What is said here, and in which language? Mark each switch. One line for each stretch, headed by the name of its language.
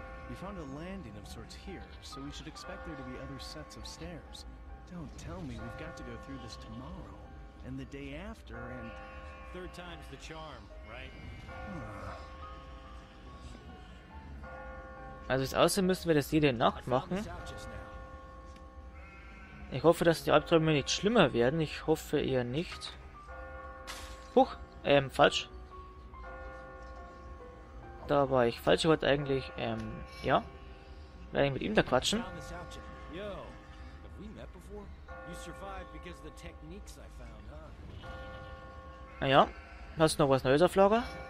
English: We found a landing of sorts here, so we should expect there to be other sets of stairs. Don't tell me we've got to go through this tomorrow and the day after and third time's the charm, right?
German: Also es aussehen müssen wir das jede Nacht machen. Ich hoffe, dass die Albträume nicht schlimmer werden. Ich hoffe eher nicht. Huch, falsch. Da war ich falsch, wollte eigentlich, ja. Werde ich mit ihm da quatschen.
English: Yo, have we met before? You survived because of the techniques I found, huh?
German: Na ja, hast du noch was Neues auf Lager?